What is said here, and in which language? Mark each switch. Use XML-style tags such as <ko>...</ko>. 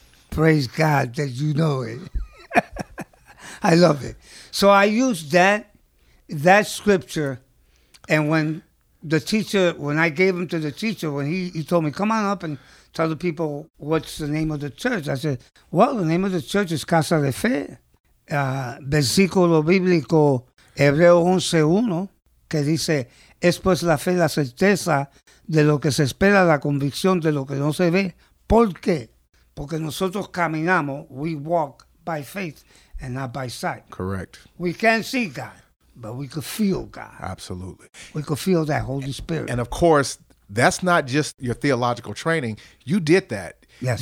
<en>Praise God that you know it. I love it. So I used that scripture, and when I gave him to the teacher, he told me, come on up and tell the people what's the name of the church. I said, well, the name of the church is Casa de Fe.</en> <es>Versículo bíblico, Hebreo 11:1, que dice, es pues la fe la certeza de lo que se espera, la convicción de lo que no se ve. ¿Por qué? Porque nosotros caminamos,</es> <en>we walk by faith and not by sight. Correct. We can't see God, but we could feel God. Absolutely. We could feel that Holy Spirit. And of course, that's not just your theological training. You did that. Yes.</en>